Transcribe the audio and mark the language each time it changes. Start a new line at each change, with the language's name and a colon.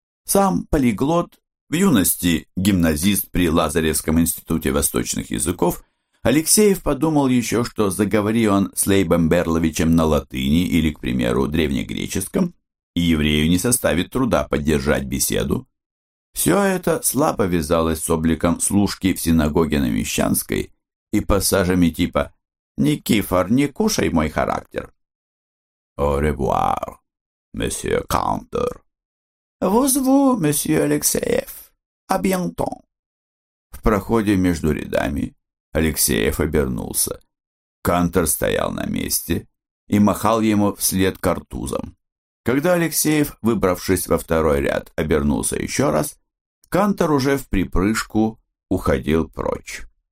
Russian: Сам полиглот, в юности гимназист при Лазаревском институте восточных языков, Алексеев подумал еще, что заговори он с Лейбом Берловичем на латыни или, к примеру, древнегреческом, и еврею не составит труда поддержать беседу. Все это слабо вязалось с обликом служки в синагоге на Мещанской и пассажами типа «Никифор, не кушай мой характер».
French: «Au revoir, monsieur Кантер». «Vous vous, monsieur Алексеев. À bientôt».
Russian: В проходе между рядами Алексеев обернулся. Кантер стоял на месте и махал ему вслед картузом. Когда Алексеев, выбравшись во второй ряд, обернулся еще раз, Кантер уже в припрыжку уходил прочь.